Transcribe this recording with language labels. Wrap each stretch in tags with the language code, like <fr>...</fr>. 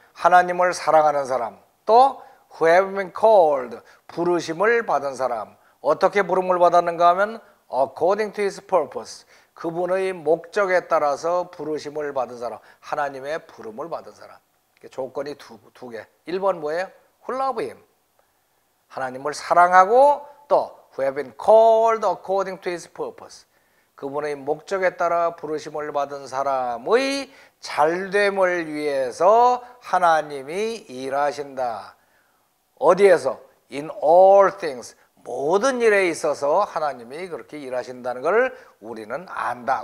<ko>하나님을 사랑하는 사람. 또</ko> <en>who have been called,</en> <ko>부르심을 받은 사람. 어떻게 부름을 받았는가 하면</ko> <en>according to his purpose,</en> <ko>그분의 목적에 따라서 부르심을 받은 사람. 하나님의 부름을 받은 사람. 조건이 두 개. 1번 뭐예요?</ko> <en>Who love him.</en> <ko>하나님을 사랑하고 또</ko> <en>who have been called according to his purpose.</en> <ko>그분의 목적에 따라 부르심을 받은 사람의 잘됨을 위해서 하나님이 일하신다. 어디에서?</ko> <en>In all things.</en> <ko>모든 일에 있어서 하나님이 그렇게 일하신다는 걸 우리는 안다.</ko>